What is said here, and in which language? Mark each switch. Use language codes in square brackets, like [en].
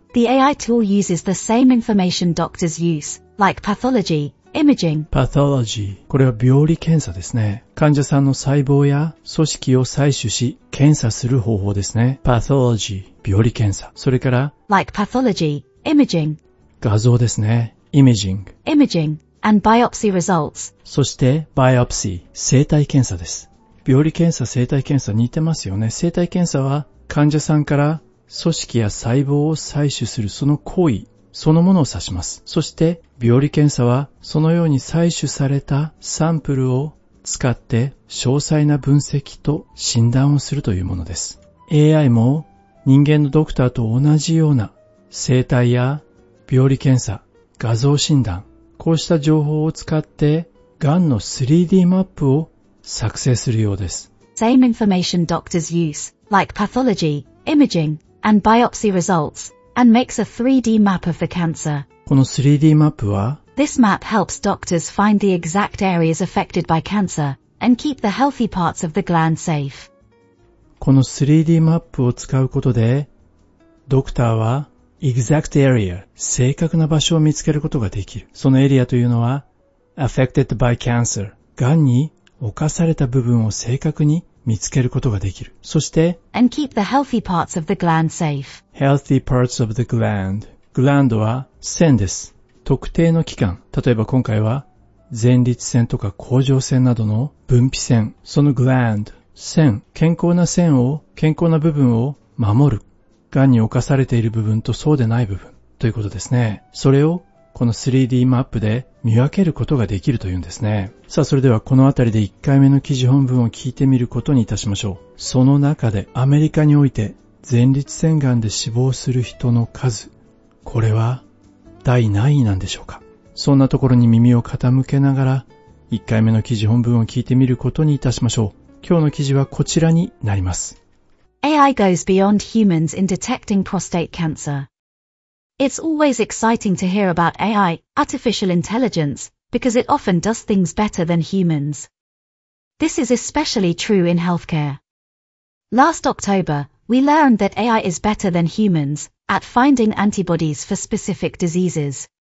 [en] The AI tool uses the same information doctors use, like pathology, imaging. [ja] Pathology これは病理検査ですね。患者さんの細胞や組織を採取し検査する方法ですね。 Pathology 病理検査。それから [en] Like pathology, imaging [ja] 画像ですね。Imaging [en] Imaging and biopsy results [ja] そして Biopsy 生体検査です。病理検査、生体検査似てますよね。生体検査は患者さんから組織や細胞を採取するその行為そのものを指します。そして病理検査はそのように採取されたサンプルを使って詳細な分析と診断をするというものです。 AI も人間のドクターと同じような生体や病理検査、画像診断、こうした情報を使ってがんの 3D マップを作成するようです。 [en] Same information doctors use, like pathology, imaging, and biopsy results, and makes a 3D map of the cancer. [ja] この 3D マップは [en] This map helps doctors find the exact areas affected by cancer and keep the healthy parts of the gland safe. [ja] この 3D マップを使うことで、ドクターは exact area、正確な場所を見つけることができる。そのエリアというのは affected by cancer、がんに侵された部分を正確に見つけることができる。そして [en] and keep the healthy parts of the gland safe. [ja] Healthy parts of the gland。グランドは腺です。特定の器官、例えば今回は前立腺とか甲状腺などの分泌腺、その gland、腺、健康な腺を、健康な部分を守る、がんに侵されている部分とそうでない部分ということですね。それをこの 3D マップで見分けることができるというんですね。さあそれではこのあたりで1回目の記事本文を聞いてみることにいたしましょう。その中でアメリカにおいて前立腺がんで死亡する人の数、これは第何位なんでしょうか。そんなところに耳を傾けながら1回目の記事本文を聞いてみることにいたしましょう。今日の記事はこちらになります。 [en] AI goes beyond humans in detecting prostate cancer. It's always exciting to hear about AI, artificial intelligence, because it often does things better than humans. This is especially true in healthcare. Last October, we learned that AI is better than humansat finding antibodies for specific diseases.